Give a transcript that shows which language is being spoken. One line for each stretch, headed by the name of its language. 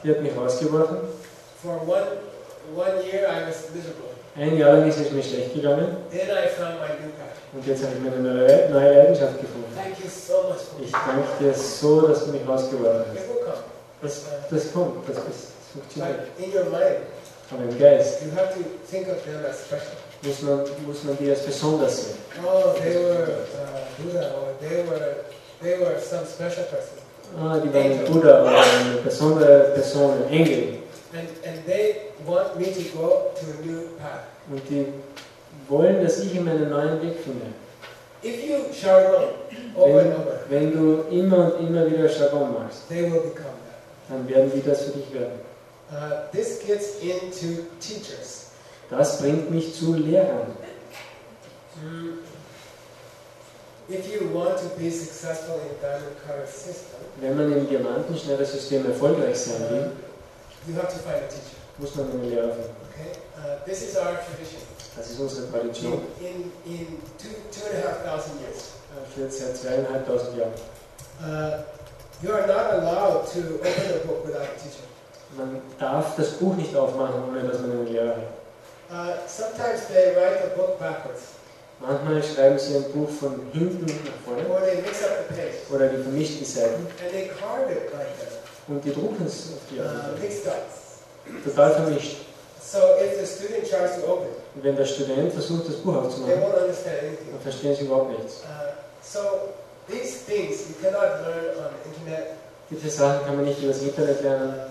German: Die hat mich rausgeworfen.
English: For one year I was miserable.
German: Ein Jahr lang ist es mir schlecht gegangen.
English: Then I found my new passion.
German: Und jetzt habe ich mir eine neue Leidenschaft gefunden.
English: Thank you so much for
German: ich danke dir so, dass du mich rausgeworfen hast. Das kommt. Das ist.
English: In your mind,
German: von dem Geist.
English: You have to think of them as special.
German: Muss man die als besonders sehen.
English: Oh, they were Buddha, or they were some special person.
German: Ah, die waren Buddha oder eine besondere Person, ein Engel.
English: And they want me to go to a new path.
German: Und die wollen, dass ich ihnen einen neuen Weg finde.
English: If you shagong over and over,
German: wenn du immer und immer wieder shagong machst,
English: they will become that.
German: Dann werden die das für dich werden.
English: This gets into teachers.
German: Das bringt mich zu Lehrern.
English: If you want to be successful in diamond current system,
German: wenn man im diamantenschnelle System erfolgreich sein will,
English: you have to find a teacher.
German: Muss man einen Lehrer finden.
English: Okay. This is our tradition.
German: Das ist unsere Tradition.
English: In 2,500 years.
German: Seit 2,500 Jahren.
English: You are not allowed to open a book without a teacher.
German: Man darf das Buch nicht aufmachen, ohne dass man einen Lehrer hat.
English: Sometimes they write a book backwards.
German: Manchmal schreiben sie ein Buch von hinten nach vorne.
English: Or they mix up the page.
German: Oder die vermischten Seiten.
English: And they carve it like that.
German: Und die drucken es auf die andere Seite.
English: Mixed up.
German: Total vermischt.
English: So if the student tries to open,
German: und wenn der Student versucht, das Buch aufzumachen,
English: they won't understand anything.
German: Dann verstehen sie überhaupt nichts.
English: So these things you cannot learn on the internet.
German: Diese Sachen kann man nicht über das Internet lernen.